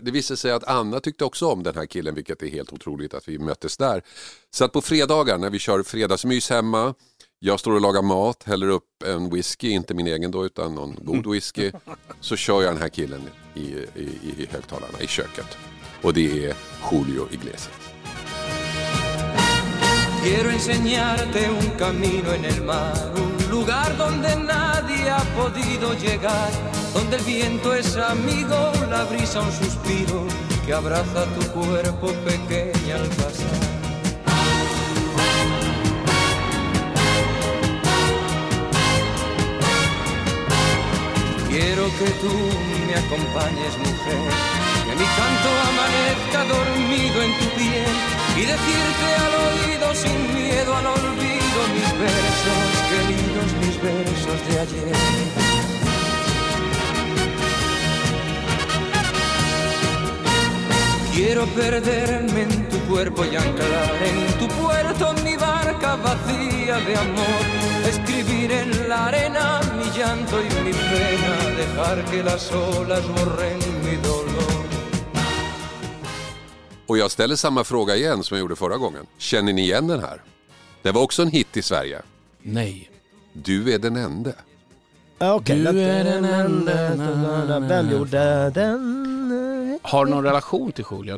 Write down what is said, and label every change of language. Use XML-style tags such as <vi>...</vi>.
<sv>Det visste sig att Anna tyckte också om den här killen. Vilket är helt otroligt att vi möttes där. Så att på fredagar när vi kör fredagsmys hemma. Jag står och lagar mat, häller upp en whisky, inte min egen då, utan någon god whisky. Så kör jag den här killen i högtalarna i köket. Och det är Julio Iglesias.</sv> <es>Quiero enseñarte un camino en el mar, un lugar donde nadie ha podido llegar, donde el viento es amigo, la brisa un suspiro que abraza tu cuerpo pequeña al pasar. Quiero que tú me acompañes, mujer, que mi canto amanezca dormido en tu piel y decirte al oído sin miedo al olvido mis versos, queridos, mis versos de ayer. Quiero perderme en tu cuerpo y anclar en tu puerto mi barca vacía de amor. Escribir en la arena mi llanto y mi pena, dejar que las olas borren mi dolor.</es> <sv>Och jag ställer samma fråga igen som jag gjorde förra gången. Känner ni igen den här? Det var också en hit i Sverige. Nej. Du är den enda. Okay, du är den enda. Vem gjorde den? Har någon relation till Julio?</sv>